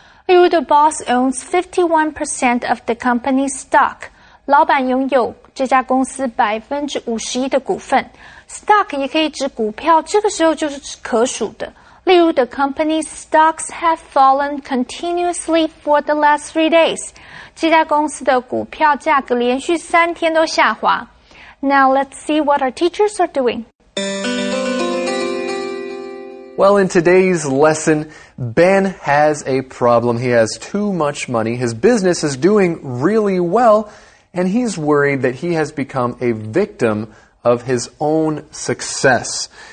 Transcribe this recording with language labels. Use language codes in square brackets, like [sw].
[en] 例如 The boss owns 51% of the company's stock， [zh] 老板拥有这家公司 51% 的股份。 Stock 也可以指股票，这个时候就是可数的。 [en] 例如 ，The company's stocks have fallen continuously for the last 3 days. [zh] 这家公司的股票价格连续三天都下滑。 [en] Now let's see what our teachers are doing. Well, in today's lesson, Ben has a problem. He has too much money. His business is doing really well, and he's worried that he has become a victim of his own success.